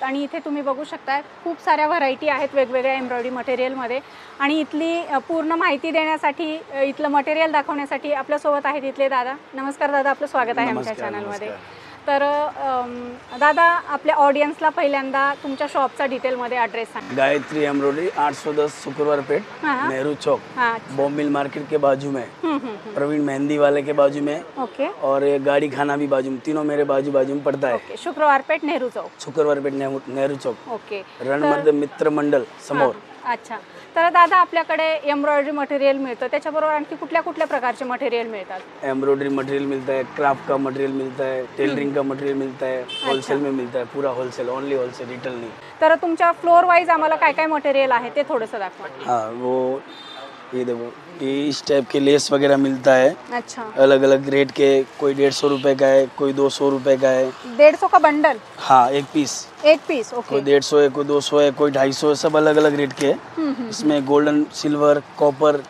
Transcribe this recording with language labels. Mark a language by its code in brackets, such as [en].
[mr] आणि इथे तुम्ही बघू शकताय खूप साऱ्या व्हरायटी आहेत वेगवेगळ्या एम्ब्रॉयडरी मटेरियलमध्ये. आणि इथली पूर्ण माहिती देण्यासाठी, इथलं मटेरियल दाखवण्यासाठी आपल्यासोबत आहेत इथले दादा. नमस्कार दादा, आपलं स्वागत आहे आमच्या चॅनलमध्ये. तर दादा, आपल्या ऑडियन्सला पहिल्यांदा तुमच्या शॉपचा डिटेलमध्ये ऍड्रेस सांगा. [hi] गायत्री एम्ब्रॉयडरी, 810 शुक्रवार पेठ, नेहरू चौक, बोमिल मार्केट के बाजू में, प्रवीण मेहंदी वाले के बाजू में. [en] Okay. [hi] और गाड़ी खाना भी बाजू में, तीनों मेरे बाजू बाजू में पड़ता है. शुक्रवार पेठ नेहरू चौक, शुक्रवार पेठ नेहरू चौक. [en] Okay. [mr] रणमर्द मित्र मंडल समोर. अच्छा, तर दादा आपल्याकडे एम्ब्रॉयडरी मटेरियल मिळतं, त्याच्याबरोबर आणखी कुठल्या कुठल्या प्रकारचे मटेरियल मिळतात? एम्ब्रॉयडरी मटेरियल मिळत आहे, क्राफ्ट का मटेरियल मिळत आहे, टेलरिंग का मटेरियल मिळत आहे, होलसेल में मिळत आहे, पूरा होलसेल, ओनली होलसेल, रिटेल नाही. तर तुमच्या फ्लोर वाईज आम्हाला काय काय मटेरियल आहे ते थोडस दाखवा. [hi] हा, वो ये देखो, इस टाइप के लेस वगैरह मिलता है. अच्छा. अलग अलग रेट के, कोई 150 रुपए का है, कोई 200 रुपए का है. 150 का बंडल? हाँ, एक पीस. एक पीस, ओके. कोई 150 है, कोई 200 है, कोई 250, सब अलग अलग रेट के. इसमें गोल्डन, सिल्वर, कॉपर